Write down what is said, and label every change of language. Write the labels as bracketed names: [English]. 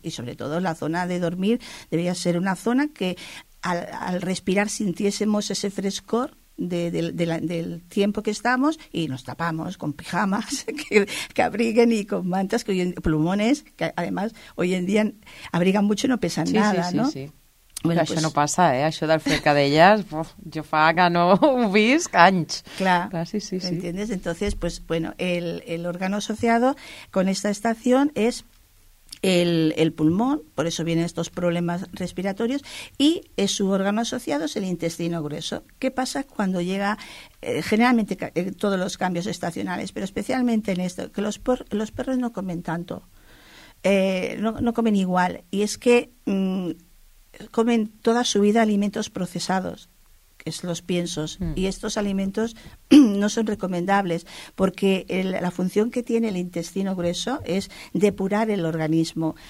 [Spanish] Y sobre todo la zona de dormir debía ser una zona que al respirar sintiésemos ese frescor del tiempo que estamos y nos tapamos con pijamas que abriguen y con mantas, que plumones, que además hoy en día abrigan mucho y no pesan nada, sí, ¿no? [Catalan] Sí, sí, sí. Bueno, això no passa, ¿eh? Això del fred que deies, jo fa que no ho visc anys. Clar, sí. ¿Entiendes? [Spanish] Entonces, pues bueno, el órgano asociado con esta estación es el pulmón, por eso vienen estos problemas respiratorios, y es su órgano asociado es el intestino grueso. ¿Qué pasa cuando llega, generalmente, todos los cambios estacionales, pero especialmente en esto, que los perros no comen tanto, no comen igual, y es que comen toda su vida alimentos procesados, que es los piensos, y estos alimentos no son recomendables porque la función que tiene el intestino grueso es depurar el organismo.